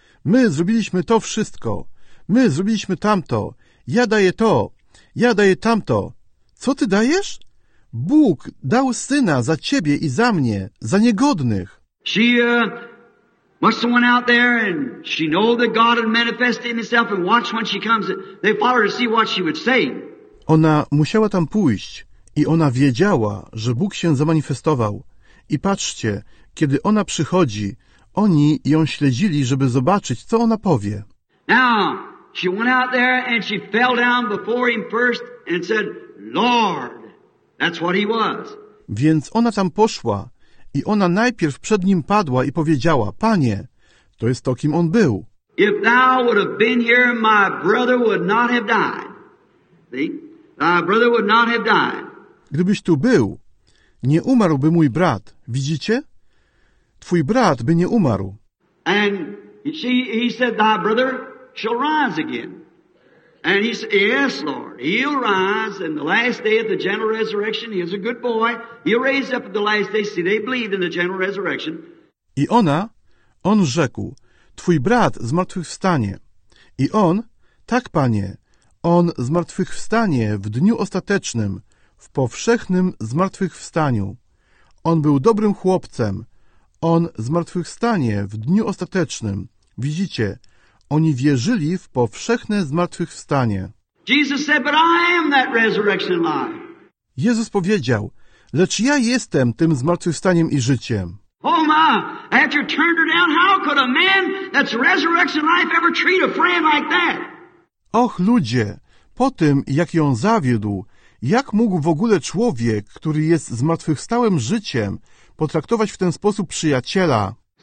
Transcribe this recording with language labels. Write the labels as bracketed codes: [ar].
[pl] My zrobiliśmy to wszystko. My zrobiliśmy tamto. Ja daję to. Ja daję tamto. Co ty dajesz? Bóg dał syna za ciebie i za mnie, za niegodnych. [en] She must have went out there and she know that God had manifested himself and watched when she comes. They followed to see what she would say. [pl] Ona musiała tam pójść. I ona wiedziała, że Bóg się zamanifestował. I patrzcie, kiedy ona przychodzi, oni ją śledzili, żeby zobaczyć, co ona powie. [en] Now, she went out there and she fell down before him first and said, Lord, that's what he was. [pl] Więc ona tam poszła i ona najpierw przed nim padła i powiedziała, Panie, to jest to, kim on był. [en] If thou would have been here, my brother would not have died. See? Thy brother would not have died. [pl] Gdybyś tu był, nie umarłby mój brat. Widzicie? Twój brat by nie umarł. [en] And he said, thy brother shall rise again. And he said, yes, Lord, he'll rise in the last day of the general resurrection. He is a good boy. He'll raise up at the last day. See, they believed in the general resurrection. [pl] I ona, on rzekł, twój brat zmartwychwstanie. I on, tak, panie, on zmartwychwstanie w dniu ostatecznym, w powszechnym zmartwychwstaniu. On był dobrym chłopcem. On zmartwychwstanie w dniu ostatecznym. Widzicie, oni wierzyli w powszechne zmartwychwstanie. [en] Jesus said, but I am that resurrection life. [pl] Jezus powiedział, lecz ja jestem tym zmartwychwstaniem i życiem. [en] Oh my, after turned her down, how could a man that's resurrection life ever treat a friend like that? [pl] Och ludzie, po tym, jak ją zawiódł, jak mógł w ogóle człowiek, który jest zmartwychwstałym życiem, potraktować w ten sposób przyjaciela?